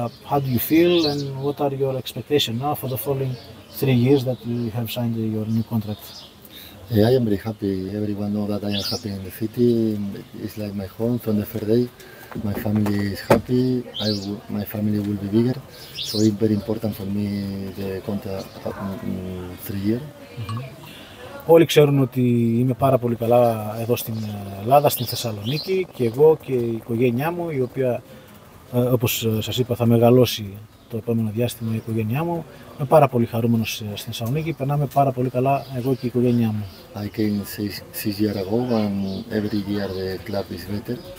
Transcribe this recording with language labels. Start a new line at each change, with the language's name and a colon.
English: How do you feel and what are your expectations now for the following 3 years that you have signed your new contract? I am very happy. Everyone knows that I am happy in the city. It's like my home from the first day. My family is happy. My family will be bigger. So it's very important for me the contract of 3 years.
Greek: Όλοι ξέρουν ότι είμαι πάρα πολύ καλά εδώ στην Ελλάδα, στην Θεσσαλονίκη, και εγώ και η οικογένειά μου, η οποία, όπως σας είπα, θα μεγαλώσει το επόμενο διάστημα η οικογένειά μου. Είμαι πάρα πολύ χαρούμενος στην Θεσσαλονίκη, περνάμε πάρα πολύ καλά εγώ και η οικογένειά μου.
English: I came 6 years ago and every year the club is better.